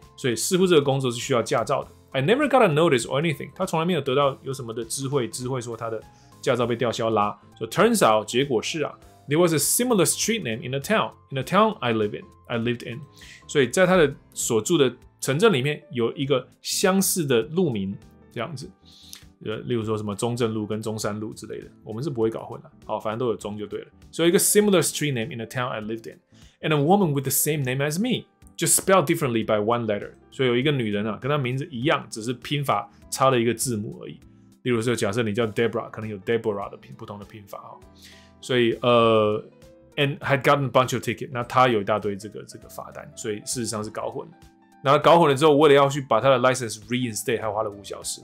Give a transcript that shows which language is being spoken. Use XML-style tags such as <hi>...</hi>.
<zh>所以似乎这个工作是需要驾照的。</zh> <en>I never got a notice or anything.</en> <zh>他从来没有得到有什么的知会说他的驾照被吊销啦。</zh> <en>So turns out,</en> <zh>结果是啊</zh> <en>，there was a similar street name in the town. In the town I lived in.</en> <zh>所以在他的所住的城镇里面有一个相似的路名，这样子，例如说什么中正路跟中山路之类的，我们是不会搞混的。好，反正都有中就对了。所以一个</zh> <en>similar street name in the town I lived in, and a woman with the same name as me, just spelled differently by one letter.</en> <zh>所以有一个女人啊，跟她名字一样，只是拼法差了一个字母而已。例如说，假设你叫 Deborah， 可能有 Deborah 的不同的拼法哈。所以</zh> <en>and had gotten a bunch of tickets，</en> <zh>那她有一大堆这个罚单，所以事实上是搞混的。然后搞混了之后，为了要去把他的 license reinstate， 还花了五小时。</zh>